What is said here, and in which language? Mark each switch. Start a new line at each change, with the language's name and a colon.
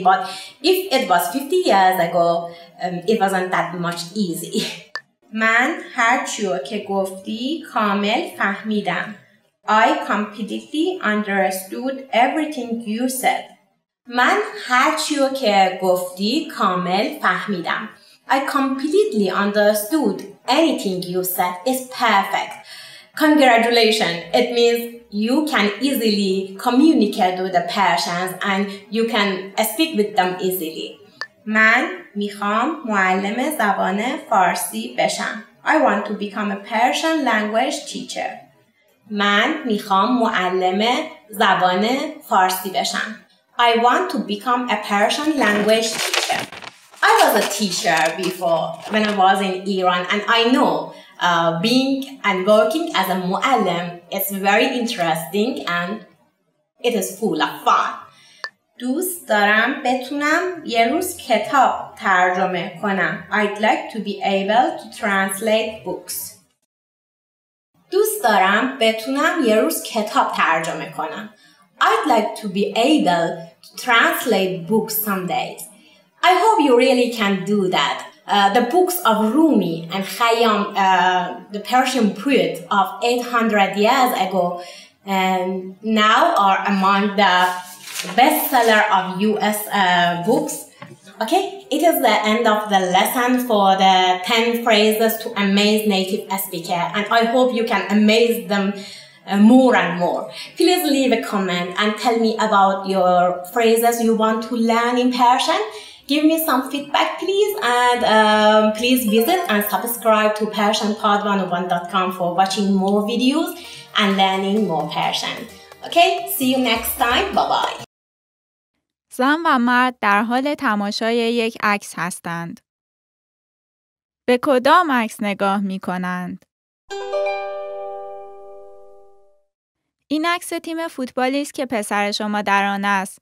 English: But if it was 50 years ago, it wasn't that much easy.
Persian: من هر چیو که گفتی کامل فهمیدم.
English: I completely understood everything you said.
Persian: من هر چیو که گفتی کامل فهمیدم.
English: I completely understood anything you said. It's perfect. Congratulations. It means you can easily communicate with the Persians and you can speak with them easily.
Persian: من میخوام معلم زبان فارسی بشم.
English: I want to become a Persian language teacher.
Persian: من میخوام معلم زبان فارسی بشم.
English: I want to become a Persian language teacher. I was a teacher before when I was in Iran and I know being and working as a muallim is very interesting and it is full of fun.
Persian: دوست دارم بتونم یه روز کتاب ترجمه کنم.
English: I'd like to be able to translate books.
Persian: دوست دارم بتونم یه روز کتاب ترجمه کنم.
English: I'd like to be able to translate books someday. I hope you really can do that. The books of Rumi and Khayyam, the Persian poet of 800 years ago, now are among the bestseller of US books. Okay, it is the end of the lesson for the 10 phrases to amaze native speaker. And I hope you can amaze them more and more. Please leave a comment and tell me about your phrases you want to learn in Persian. Give me some feedback, please. And please visit and subscribe to PersianPod101.com for watching more videos and learning more Persian. Okay, see you next time. Bye-bye.
Persian: زن و مرد در حال تماشای یک عکس هستند. به کدام عکس نگاه می کنند؟ این عکس تیم فوتبالی است که پسر شما در آن است.